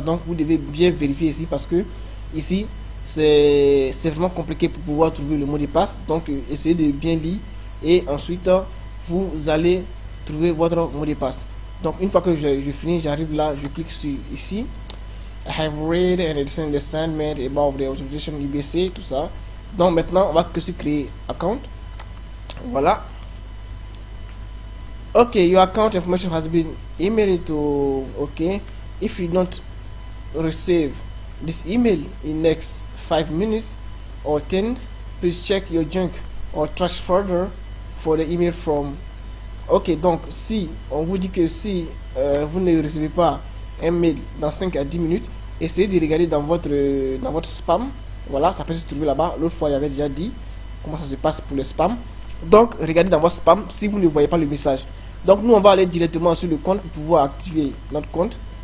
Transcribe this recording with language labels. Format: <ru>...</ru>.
<fr>Donc vous devez bien vérifier ici parce que ici, c'est vraiment compliqué pour pouvoir trouver le mot de passe. Donc essayez de bien lire et ensuite vous allez trouver votre mot de passe. Donc une fois que je finis, j'arrive là, je clique sur ici.</fr> <en>I have read and understand about the authorization UBC,</en> <fr>tout ça. Donc maintenant on va que se créer account. Voilà.</fr> <en>Ok, your account information has been emailed to. Ok, if you don't receive this email in next 5 minutes or 10, please check your junk or trash folder for the email from.</en> <fr>Ok, donc si on vous dit que si vous ne recevez pas un mail dans 5 à 10 minutes, essayez de regarder dans votre spam. Voilà, ça peut se trouver là-bas. L'autre fois, j'avais déjà dit comment ça se passe pour le spam. Donc, regardez dans votre spam si vous ne voyez pas le message. Donc, nous, on va aller directement sur le compte pour pouvoir activer notre compte.</fr>